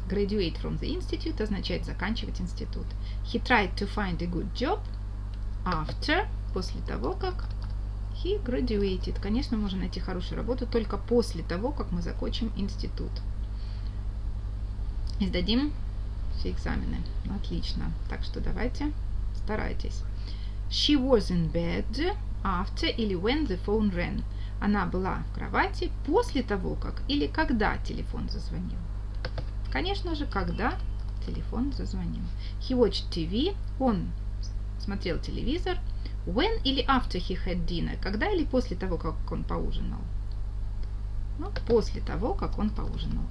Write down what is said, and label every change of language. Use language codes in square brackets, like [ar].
[en] Graduate from the institute [ru] означает заканчивать институт. [en] He tried to find a good job after, [ru] после того, как [en] he graduated. [ru] Конечно, можно найти хорошую работу только после того, как мы закончим институт. Сдадим все экзамены. Отлично. Так что давайте, старайтесь. [en] She was in bed after или when the phone rang. [ru] Она была в кровати после того, как или когда телефон зазвонил. Конечно же, когда телефон зазвонил. [en] He watched TV. [ru] Он смотрел телевизор. [en] When или after he had dinner. [ru] Когда или после того, как он поужинал. Ну, после того, как он поужинал.